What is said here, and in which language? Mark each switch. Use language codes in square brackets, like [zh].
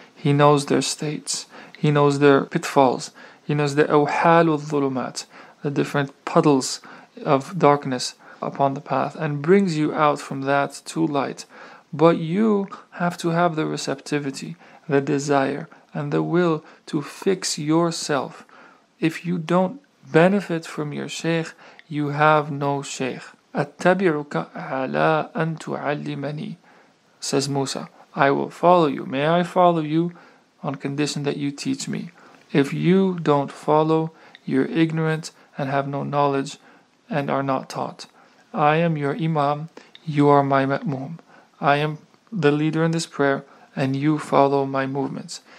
[en] He knows their states. He knows their pitfalls. He knows the [ar] أَوْحَالُ الظُّلُمَاتِ [en] the different puddles of darkness upon the path, and brings you out from that to light. But you have to have the receptivity, the desire, and the will to fix yourself. If you don't benefit from your shaykh, you have no shaykh. [ar] أَتَّبِعُكَ عَلَىٰ أَن تُعَلِّمَنِي says Musa. [en] I will follow you. May I follow you on condition that you teach me. If you don't follow, you're ignorant and have no knowledge and are not taught. I am your imam. You are my ma'mum. I am the leader in this prayer and you follow my movements.